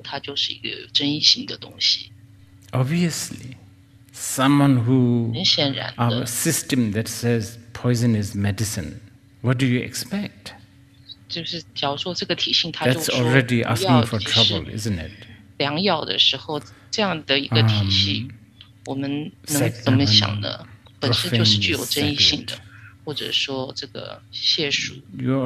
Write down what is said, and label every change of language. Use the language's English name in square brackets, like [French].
[Chinese] 其实应该说，从金刚乘一开始的时候，它就是一个有争议性的东西。 [English] Obviously. Someone who our system that says poison is medicine, what do you expect? That's already asking for trouble, isn't it? [Chinese] 良药的时候，这样的一个体系，我们能怎么想呢？本身就是具有争议性的，或者说这个亵渎，you're